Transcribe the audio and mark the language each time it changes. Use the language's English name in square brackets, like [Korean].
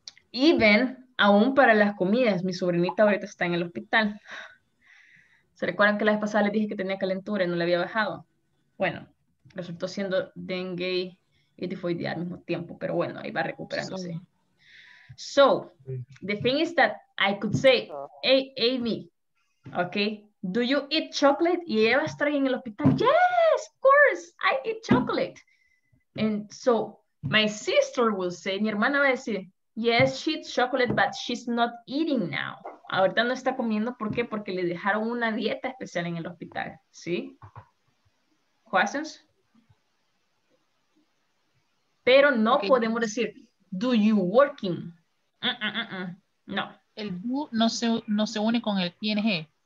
[English] Even, [Spanish] aún para las comidas, mi sobrinita ahorita está en el hospital. ¿Se recuerdan que la vez pasada les dije que tenía calentura y no le había bajado? Bueno, resultó siendo dengue y tifoidea al mismo tiempo, pero bueno, ahí va recuperándose. [English] So, the thing is that I could say, hey, Amy, okay, do you eat chocolate? [Spanish] Y ella va a estar en el hospital. [English] Yes, of course, I eat chocolate. And so, my sister will say, [Spanish] mi hermana va a decir, [English] yes, she eats chocolate, but she's not eating now. [Spanish] Ahorita no está comiendo, ¿por qué? Porque le dejaron una dieta especial en el hospital, ¿sí? [English] ¿Questions? [Spanish] Pero no okay. Podemos decir, [English] do you working? [Spanish] No. El do no se une con el ing.